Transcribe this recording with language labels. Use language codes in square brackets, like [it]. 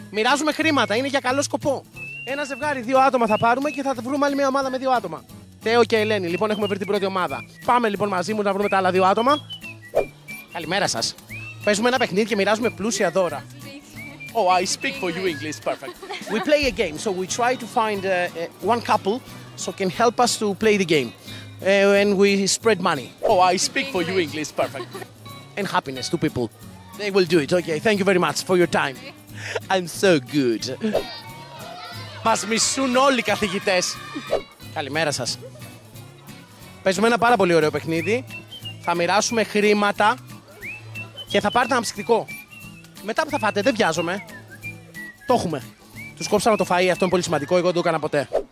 [el] Μοιράζουμε χρήματα, είναι για καλό σκοπό. Ένα ζευγάρι, δύο άτομα θα πάρουμε και θα βρούμε άλλη μια ομάδα με δύο άτομα. Θέο και Ελένη, λοιπόν, έχουμε βρει την πρώτη ομάδα. Πάμε λοιπόν μαζί μου να βρούμε τα άλλα δύο άτομα. Καλημέρα σας. Παίζουμε ένα παιχνίδι και μοιράζουμε πλούσια δώρα. [en] Oh, I speak for you English, perfect. We play a game, so we try to find one couple so can help us to play the game. And we spread money. Oh, I speak for you English, perfect. And happiness to people. They will do it, okay. Thank you very much for your time. I'm so good. [el] Μας μισούν όλοι οι καθηγητές. Καλημέρα σας. Παίζουμε ένα πάρα πολύ ωραίο παιχνίδι. Θα μοιράσουμε χρήματα και θα πάρετε ένα ψυκτικό. Μετά που θα φάτε, δεν βιάζομαι. Το έχουμε. Τους κόψαμε το φαΐ, αυτό είναι πολύ σημαντικό, εγώ δεν το έκανα ποτέ.